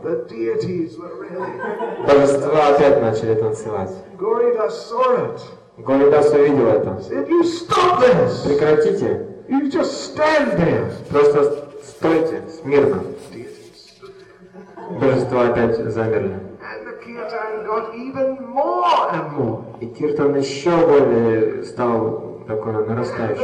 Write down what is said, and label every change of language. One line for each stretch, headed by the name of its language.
English: The deities were really.
Russian: Божества опять начали танцевать.
English: Gauridas saw it.
Russian: Gauridas увидел это.
English: Said, "You stop this."
Russian: Прекратите.
English: You just stand there.
Russian: Просто стойте смирно.
English: Deities.
Russian: Божества опять замерли.
English: And the kirtan got even more and more.
Russian: И киртан еще более стал такой нарастающий.